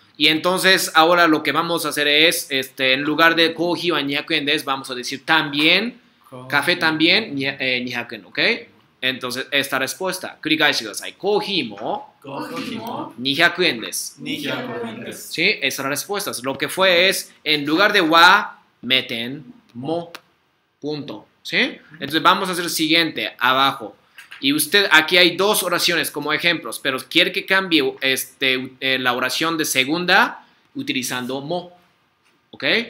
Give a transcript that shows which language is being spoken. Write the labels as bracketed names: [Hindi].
[Spanish] Y entonces, ahora lo que vamos a hacer es, en lugar de [Japanese] kohi wa 200 yen desu, [Spanish] vamos a decir también, café también, 200 yen, ¿ok? Entonces, esta respuesta, [Japanese] 繰り返してください. Kohi mo 200 yen desu. 200 yen desu. [Spanish] Sí, esa es la respuesta. Lo que fue es, en lugar de wa, meten mo. Punto. ¿Sí? Entonces, vamos a hacer el siguiente, abajo. Y usted, aquí hay dos oraciones como ejemplos, pero quiere que cambie la oración de segunda utilizando mo. ¿Ok?